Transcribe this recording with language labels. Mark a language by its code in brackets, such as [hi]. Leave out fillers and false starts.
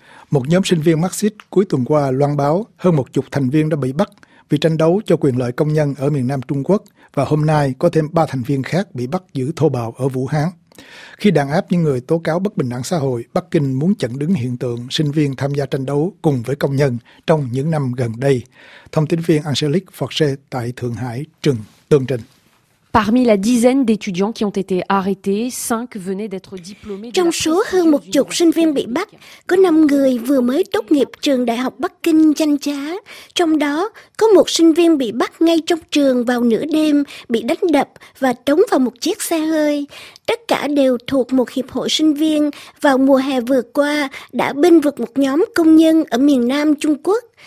[vi] Một nhóm sinh viên Marxist cuối tuần qua loan báo hơn một chục thành viên đã bị bắt vì tranh đấu cho quyền lợi công nhân ở miền Nam Trung Quốc và hôm nay có thêm 3 thành viên khác bị bắt giữ thô bạo ở Vũ Hán. Khi đàn áp những người tố cáo bất bình đẳng xã hội, Bắc Kinh muốn chặn đứng hiện tượng sinh viên tham gia tranh đấu cùng với công nhân trong những năm gần đây. Thông tin viên Angelique Forcé tại Thượng Hải trừng tường trình. [fr] Parmi la dizaine d'étudiants qui ont été arrêtés, 5 venaient d'être diplômés. [vi] Trong số hơn một chục sinh viên bị bắt, có 5 người vừa mới tốt nghiệp trường Đại học Bắc Kinh danh giá. Trong đó, có một sinh viên bị bắt ngay trong trường vào nửa đêm, bị đánh đập và trống vào một chiếc xe hơi. Tất cả đều thuộc một hiệp hội sinh viên vào mùa hè vừa qua đã binh vực một nhóm công nhân ở miền Nam Trung Quốc.